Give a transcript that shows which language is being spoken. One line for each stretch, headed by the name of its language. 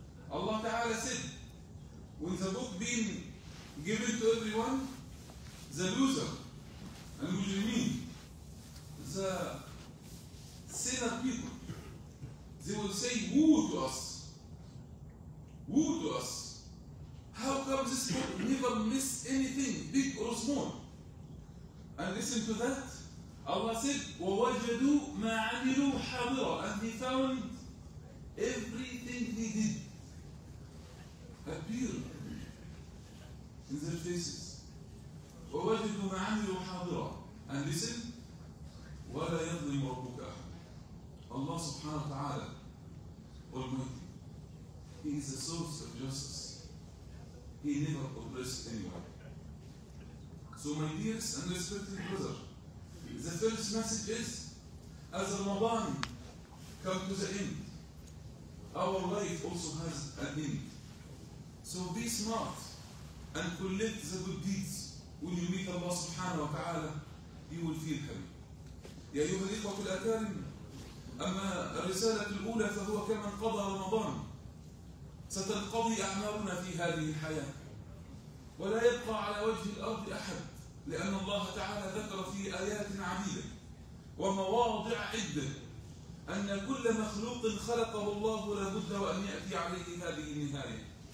English: Allah Ta'ala said, when the book being given to everyone, the loser, المجرمين, the sinner people, they will say, woe to us. Woe to us. How come this book never miss anything, big or small? And listen to that. Allah said,
Arabic: وَوَجَدُوا مَا عَمِلُوا حَضِرًا.
English: And he found everything he did appear in their faces.
Arabic: وَوَجَدُوا مَا عَمِلُوا حَضِرًا.
English: And listen,
Arabic: وَلَا يَظْلِمْ رَبُّكَ.
English: Allah subhanahu wa ta'ala, Almighty, He is the source of justice. He never oppressed anyone. So my dearest and respected brother, the first message is, as Ramadan comes to the end, our life also has an end. So be smart and collect the good deeds. When you meet Allah subhanahu wa ta'ala, you will feel happy.
Arabic: يا أيها الإخوة الأكارم, أما الرسالة الأولى فهو كمن قضى رمضان. ستنقضي أعمارنا في هذه الحياة. ولا يبقى على وجه الأرض أحد, لأن الله تعالى ذكر في آيات عديدة ومواضع عدة أن كل مخلوق خلقه الله لا بد وأن يأتي عليه هذه النهاية.